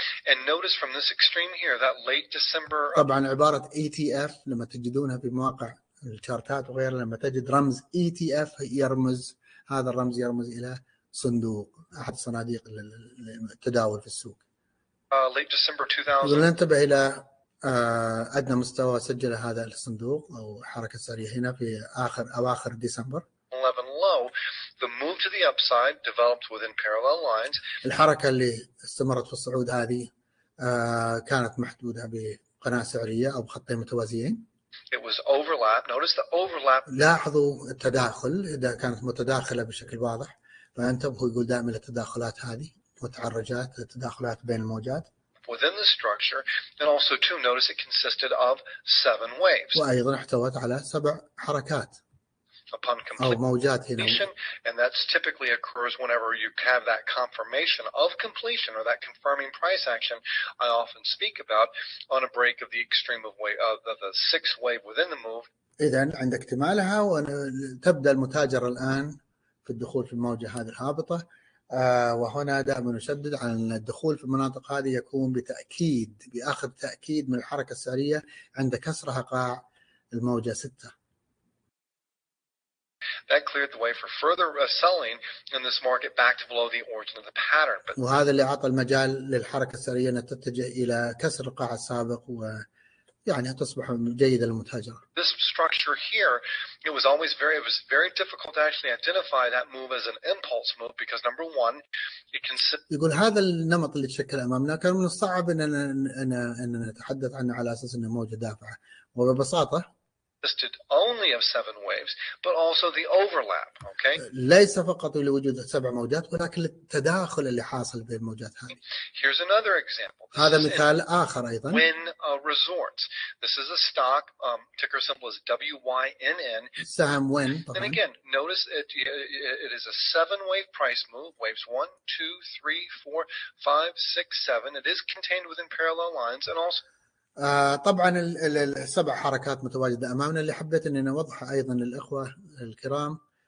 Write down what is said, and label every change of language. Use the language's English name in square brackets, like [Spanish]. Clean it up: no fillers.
[English] And notice from this extreme here that late December. [Arabic] طبعا عبارة ETF لما تجدونها في مواقع الشارتات وغيرها لما تجد رمز ETF يرمز هذا الرمز يرمز إلى صندوق أحد صناديق التداول في السوق. [English] Late December 2000. [Arabic] ننتبه إلى أدنى مستوى سجل هذا الصندوق أو حركة سريعة هنا في آخر أواخر ديسمبر. [English] 11 low. The move to the upside developed within parallel lines. [Arabic] الحركة اللي استمرت في الصعود هذه كانت محدودة بقناة سعرية أو بخطين متوازيين. [English] It was overlap. Notice the overlap. [Arabic] لاحظوا التداخل إذا كانت متداخلة بشكل واضح. فانتبهوا يقول دائما التداخلات هذه متعرجات التداخلات بين الموجات. [English] Within the structure, and also too, notice it consisted of seven waves. [Arabic] وأيضا احتوت على سبع حركات. [English] Upon completion, and that's typically occurs whenever you have that confirmation of completion or that confirming price action I often speak about on a break of the extreme of wave of the sixth wave within the move. [Arabic] إذن عند اكتمالها وتبدأ المتاجر الآن في الدخول في الموجة هذه الهابطة وهنا دائما نشدد على أن الدخول في المناطق هذه يكون بتأكيد بأخذ تأكيد من الحركة السعرية عند كسرها قاع الموجة ستة. [English] That cleared the way for further selling in this market back to below the origin of the pattern. [Arabic] وهذا اللي عطى المجال للحركة السريعة أن تتجه إلى كسر القاع السابق ويعني تصبح جيدة للمتاجر. [English] This structure here, it was always very, it was very difficult to actually identify that move as an impulse move because number one, it can. [Arabic] يقول هذا النمط اللي تشكل أمامنا كان من الصعب أن نتحدث عنه على أساس أنه موجة دافعة وببساطة. [English] Consisted only of seven waves, but also the overlap. Okay. [Arabic] ليس فقط لوجود سبع موجات ولكن التداخل اللي حاصل بين الموجات هذه. [English] Here's another example. [Arabic] هذا مثال آخر أيضا. [English] Wynn Resorts. This is a stock. Ticker symbol is WYNN. [Arabic] سهم وين. [English] And again, notice it is a seven-wave price move. Waves 1, 2, 3, 4, 5, 6, 7. It is contained within parallel lines and also. [Arabic] طبعا السبع حركات متواجده امامنا، اللي حبيت اني اوضحها ايضا للاخوه الكرام.